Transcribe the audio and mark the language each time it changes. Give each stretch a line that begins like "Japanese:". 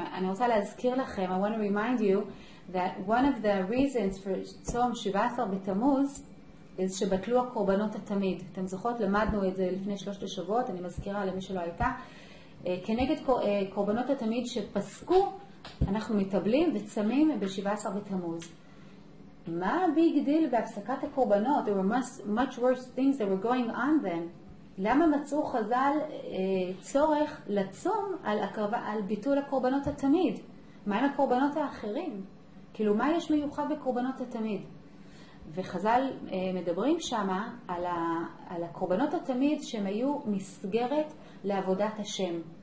Hebrew: אני רוצה להזכיר לכם,
English: I want to remind you that one of the reasons for צום 17 בתמוז is
Hebrew: שבטלו הקורבנות התמיד. אתם זוכרות, למדנו את זה לפני שלושת השבועות, אני מזכירה למי שלא הייתה. כנגד קורבנות התמיד שפסקו, אנחנו מתאבלים וצמים ב-17 בתמוז. מה הביג דיל בהפסקת הקורבנות?
English: There were much worse things that were going on then.
Hebrew: למה מצאו חזל צורך לצום על ביטול הקורבנות התמיד? מה עם הקורבנות האחרים? כאילו, מה יש מיוחד בקורבנות התמיד? וחזל מדברים שמה על על הקורבנות התמיד שהם היו מסגרת לעבודת השם.